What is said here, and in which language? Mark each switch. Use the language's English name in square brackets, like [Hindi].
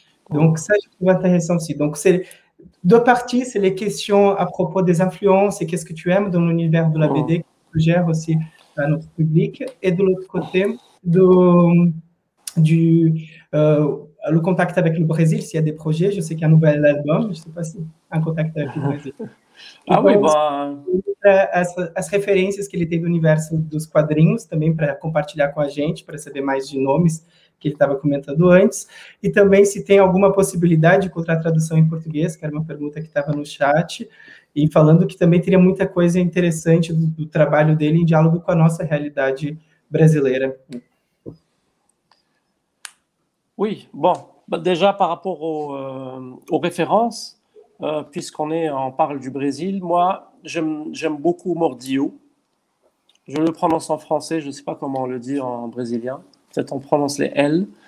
[French] Donc ça, je trouve intéressant aussi. Donc c'est deux parties, c'est les questions à propos des influences et qu'est-ce que tu aimes dans l'univers de la BD qui gère aussi à notre public. Et de l'autre côté, le contact avec le Brésil, s'il y a des projets. Je sais qu'il y a un nouvel album, je ne sais pas si un contact avec le Brésil. Ah oui, bah... [Portuguese] As referências que ele teve no universo dos quadrinhos também para compartilhar com a gente, para saber mais de nomes que ele estava comentando antes. E também se tem alguma possibilidade de encontrar tradução em português, que era uma pergunta que estava no chat, e falando que também teria muita coisa interessante do trabalho dele em diálogo com a nossa realidade brasileira. [French] Oui, bon, déjà par rapport aux références, puisqu'on parle du Brésil, moi, j'aime beaucoup Mordillo. Je le prononce en français, je ne sais pas comment on le dit en brésilien. Peut-être on prononce les L.